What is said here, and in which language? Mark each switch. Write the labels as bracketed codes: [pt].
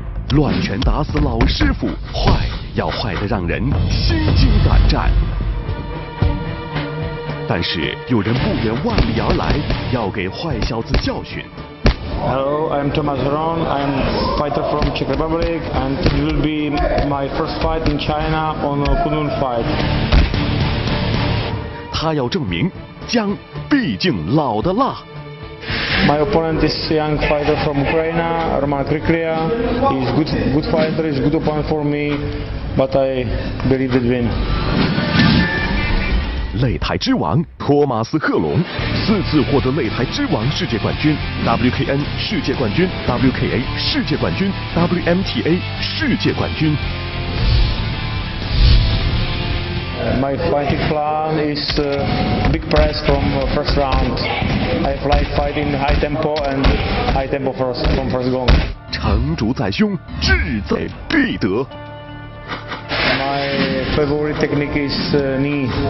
[zh] 乱拳打死老师傅，坏要坏得让人心惊胆战。但是有人不远万里而来，要给坏小子教训。 [en] Hello, I'm Tomáš Hron. I'm fighter from Czech Republic, and it will be my first fight in China on a Kunlun fight. [zh] 他要证明，姜毕竟老的辣。 [en] My opponent is a young fighter from Ukraine, Roman Krikria. He's good fighter, he's good opponent for me, but I believe it win. [zh] 擂台之王托马斯·赫隆，4次获得擂台之王世界冠军、WKN 世界冠军、WKA 世界冠军、WMTA 世界冠军。 [en] My fighting plan is big press from first round. I like fighting high tempo and high tempo from first gong. [zh] 成竹在胸，志在必得。 [en] My favorite technique is knee.